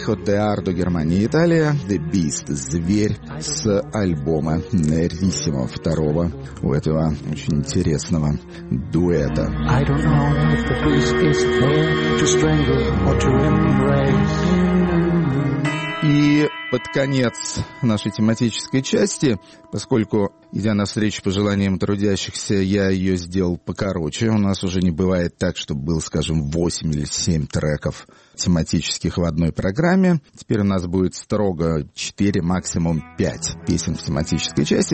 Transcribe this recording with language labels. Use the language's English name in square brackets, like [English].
[Russian] Де Ардо, Германия, Италия, «The Beast», «Зверь» с альбома «Нериссимо», второго у этого очень интересного дуэта. [English] I don't know if the beast is there to strangle or to embrace. [Russian] И под конец нашей тематической части, поскольку, идя навстречу пожеланиям трудящихся, я ее сделал покороче, у нас уже не бывает так, чтобы было, скажем, 8 или 7 треков тематических в одной программе. Теперь у нас будет строго 4, максимум 5 песен в тематической части.